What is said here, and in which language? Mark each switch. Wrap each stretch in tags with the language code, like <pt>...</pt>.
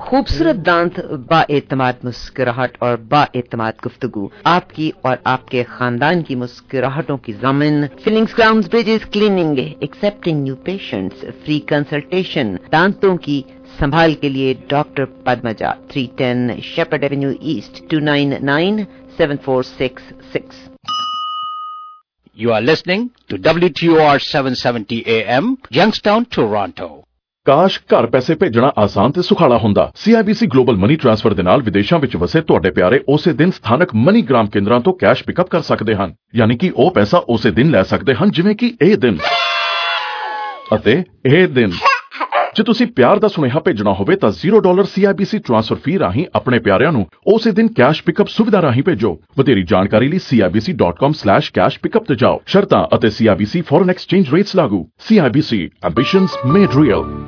<ur>خوبصورت دانت، با اعتماد مسکراہٹ اور با اعتماد گفتگو، آپ کی اور آپ کے خاندان کی مسکراہٹوں کی ضمن، فلنگز، grounds, bridges, cleaning, accepting new patients, free consultation, دانتوں کی سنبھال کے لیے doctor Padmaja, 310 Shepard avenue asset, 299-7466.</ur> <en>You are listening to WTOR 770 AM, Youngstown, Toronto.</en> <pa>کاش گھر پیسے بھیجنا آسان تے سکھالا ہوندا۔ سی آئی B C global money transfer دے نال ودیشاں وچ وسے تہاڈے پیارے اسی دن ستھانک منی گرام کیندراں تو کیش پک اپ کر سکدے ہن، یعنی کہ او پیسہ اسی دن لے سکدے ہن جویں کہ اے دن۔ اتے اے دن جے تسی پیار دا سنیہا بھیجنا ہووے تاں $0 سی آئی بی سی ٹرانسفر فی راہیں اپنے پیاریاں نوں اسی دن کیش پک اپ سویدھا راہیں بھیجو۔ ودھیری جانکاری لئی cibc.com/cashpickup تے جاؤ۔ شرطاں اتے سی آئی B C foreign exchange rates لاگو۔ سی آئی B C, ambitions made real.</pa>